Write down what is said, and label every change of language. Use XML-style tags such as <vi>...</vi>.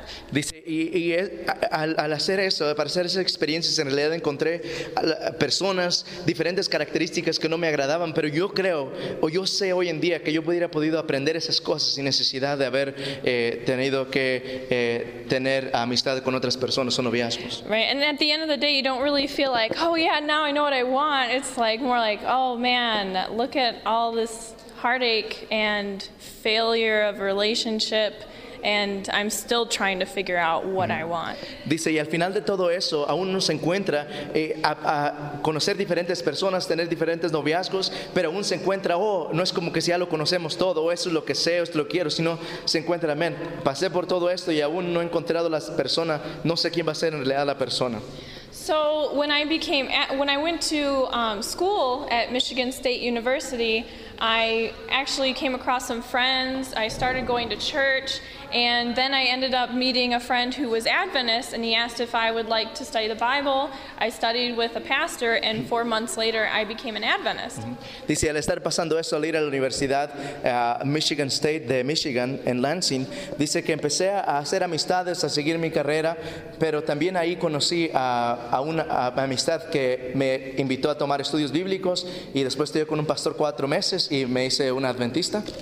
<es>Dice, y al hacer eso, para hacer esas experiencias, en realidad encontré personas, diferentes características que no me agradaban, pero yo creo, o yo sé hoy en día, que yo hubiera podido aprender esas cosas sin necesidad de haber tenido que tener amistad con otras personas o noviazgos.</es> <en>Right, and at the end of the day, you don't really feel like, oh yeah, now I know what I want. It's like more like, oh man, look at all this heartache and failure of a relationship. And I'm still trying to figure out what I want.</en> <es>Dice, y al final de todo eso, aún uno se encuentra a conocer diferentes personas, tener diferentes noviazgos, pero aún se encuentra, oh, no es como que ya lo conocemos todo, eso es lo que sé, esto es lo que quiero, sino se encuentra, amén, pasé por todo esto y aún no he encontrado la persona, no sé quién va a ser en realidad la persona.</es> <en>So when I went to school at Michigan State University, I actually came across some friends. I started going to church, and then I ended up meeting a friend who was Adventist, and he asked if I would like to study the Bible. I studied with a pastor, and 4 months later, I became an Adventist.</en> <es>Dice, al estar pasando eso, al ir a la universidad, Michigan State de Michigan, en Lansing, dice que empecé a hacer amistades, a seguir mi carrera, pero también ahí conocí a una amistad que me invitó a tomar estudios bíblicos, y después estuve con un pastor 4 meses, y me hice una adventista.</es>